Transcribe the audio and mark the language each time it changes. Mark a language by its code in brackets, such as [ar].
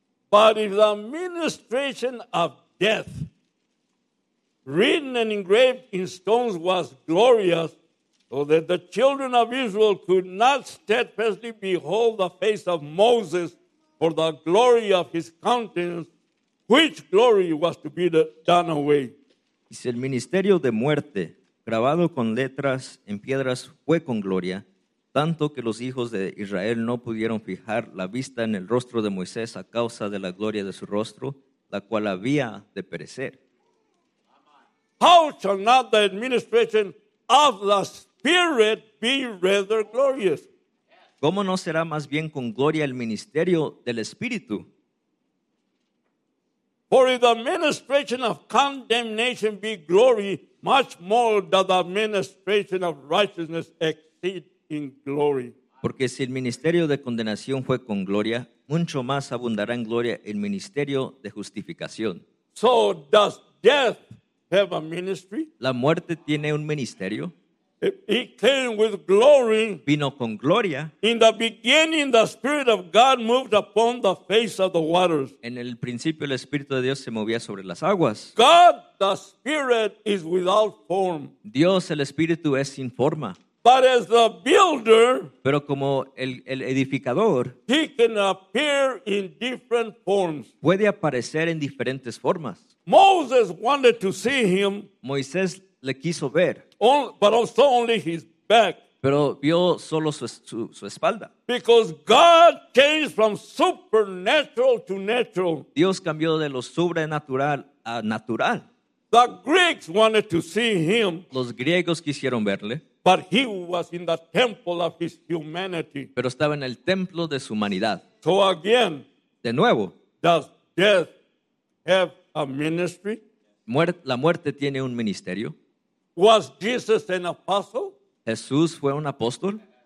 [en] But if the ministration of death, written and engraved in stones, was glorious, so that the children of Israel could not steadfastly behold the face of Moses for the glory of his countenance, which glory was to be done away? [es] Y si el ministerio de muerte, grabado con letras en piedras, fue con gloria, tanto que los hijos de Israel no pudieron fijar la vista en el rostro de Moisés a causa de la gloria de su rostro, la cual había de perecer. [en] How shall not the administration of the Spirit be rather glorious? [es] ¿Cómo no será más bien con gloria el ministerio del Espíritu? [en] For if the administration of condemnation be glory, much more does the administration of righteousness exceed in glory. [es] Porque si el ministerio de condenación fue con gloria, mucho más abundará en gloria el ministerio de justificación. [en] So does death have a ministry? [es] ¿La muerte tiene un ministerio? [en] He came with glory. [es] Vino con gloria. [en] In the beginning, the Spirit of God moved upon the face of the waters. [es] En el principio, el Espíritu de Dios se movía sobre las aguas. [en] God, the Spirit, is without form. [es] Dios, el Espíritu, es sin forma. [en] But as the builder, [es] pero como el edificador, [en] he can appear in different forms. [es] Puede aparecer en diferentes formas. [en] Moses wanted to see him. [es] Moisés le quiso ver. [en] But also only his back. [es] Pero vio solo su espalda. [en] Because God changed from supernatural to natural. [es] Dios cambió de lo sobrenatural a natural. [en] The Greeks wanted to see him. [es] Los griegos quisieron verle. [en] But he was in the temple of his humanity. [es] Pero estaba en el templo de su humanidad. [en] So again, [es] de nuevo, [en] does death have a ministry? [es] La muerte tiene un ministerio. [en] Was Jesus an apostle? [es] Jesús fue un apóstol.